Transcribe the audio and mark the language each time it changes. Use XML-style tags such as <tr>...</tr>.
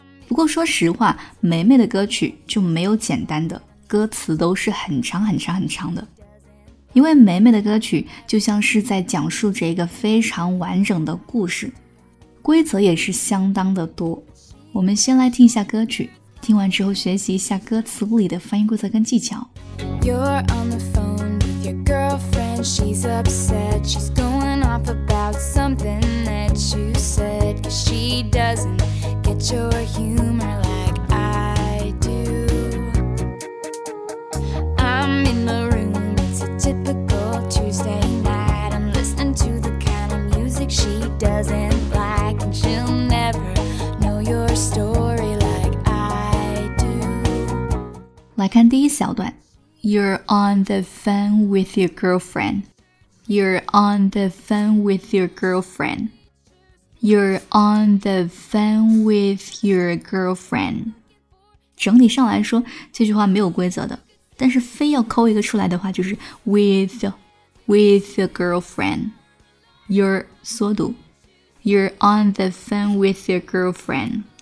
<zh>不过说实话，霉霉的歌曲就没有简单的，歌词都是很长很长很长的。因为霉霉的歌曲就像是在讲述着一个非常完整的故事，规则也是相当的多。我们先来听一下歌曲，听完之后学习一下歌词里的发音规则跟技巧。</zh> <en>You're on the phone with your girlfriend, she's upset, she's going off about something that you said, cause she doesn't get your humor like I do. I'm in the room, it's a typical Tuesday night, I'm listening to the kind of music she doesn't like, and she'll never know your story like I do.</en> <zh>来看第一小段。</zh> <en>You're on the phone with your girlfriend. You're on the phone with your girlfriend. You're on the phone with your girlfriend.</en> <zh>整体上来说，这句话没有规则的，但是非要抠一个出来的话，就是</zh> <en>with your girlfriend. You're</en> <zh>缩读。</zh> <en>You're on the phone with your girlfriend.</en>